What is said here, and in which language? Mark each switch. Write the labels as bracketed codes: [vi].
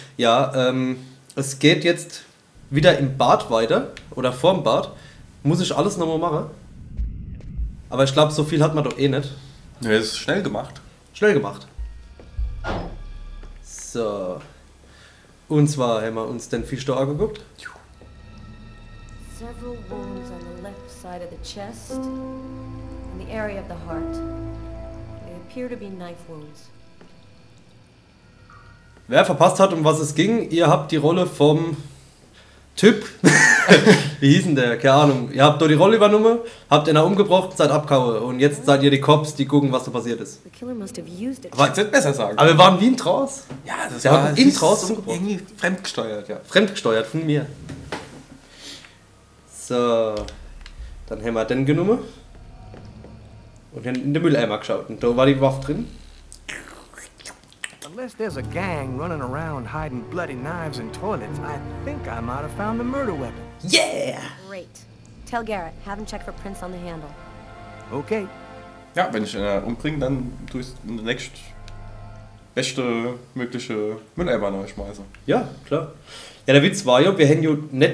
[de] Ja, es geht jetzt wieder im Bad weiter oder vorm Bad. Muss ich alles nochmal machen? Aber ich glaube, so viel hat man doch eh nicht. Nö, ja, ist schnell gemacht. Schnell gemacht. So. Und zwar haben wir uns den Fisch da angeguckt. [en] Several wounds on the left side of the chest and the area of the heart. They appear to be knife wounds. [de] Wer verpasst hat, um was es ging, ihr habt die Rolle vom Typ. Wie hieß denn der? Keine Ahnung. Ihr habt dort die Rolle übernommen, habt ihn umgebracht, seid abgehauen. Und jetzt seid ihr die Cops, die gucken, was da passiert ist. Aber ich sollte besser sagen. Aber wir waren wie in Trance. Ja, das wir war haben in Trance umgebracht. Irgendwie fremdgesteuert, ja. Fremdgesteuert von mir. So. Dann haben wir den genommen. Und haben in den Mülleimer geschaut. Und da war die Waffe drin. [en] Unless there's a gang running around hiding bloody knives in toilets, I think I might have found the murder weapon. Yeah! Great. Tell Garrett, have him check for prints on the handle. Okay. [de] Ja, wenn ich ihn umbringe, dann tue ich den nächsten beste mögliche Mülleimer neu schmeißen. Ja, klar. Ja, der Witz war ja, wir hängen ja nicht.